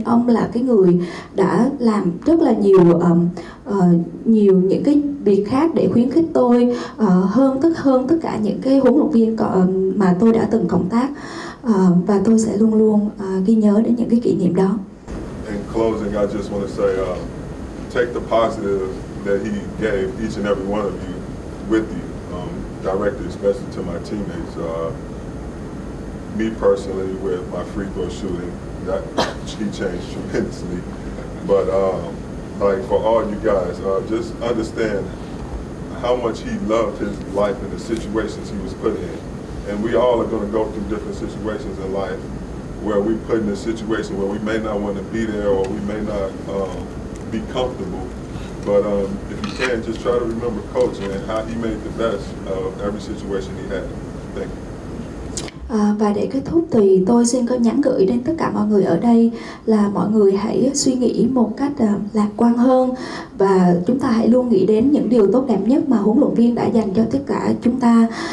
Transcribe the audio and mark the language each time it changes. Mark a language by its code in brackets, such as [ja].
[vi] Ông là cái người đã làm rất là nhiều nhiều những cái việc khác để khuyến khích tôi, hơn tất cả những cái huấn luyện viên mà tôi đã từng cộng tác, và tôi sẽ luôn luôn ghi nhớ đến những cái kỷ niệm đó. [en] In closing, I just want to say, take the positive that he gave each and every one of you with you, directly, especially to my teammates. Me personally, with my free throw shooting, that he changed tremendously. But like for all you guys, just understand how much he loved his life and the situations he was put in. And we all are going to go through different situations in life where we put in a situation where we may not want to be there or we may not be comfortable. But if you can, just try to remember coach and how he made the best of every situation he had. Thank you. [vi] Và để kết thúc thì tôi xin có nhắn gửi đến tất cả mọi người ở đây là mọi người hãy suy nghĩ một cách lạc quan hơn và chúng ta hãy luôn nghĩ đến những điều tốt đẹp nhất mà huấn luyện viên đã dành cho tất cả chúng ta.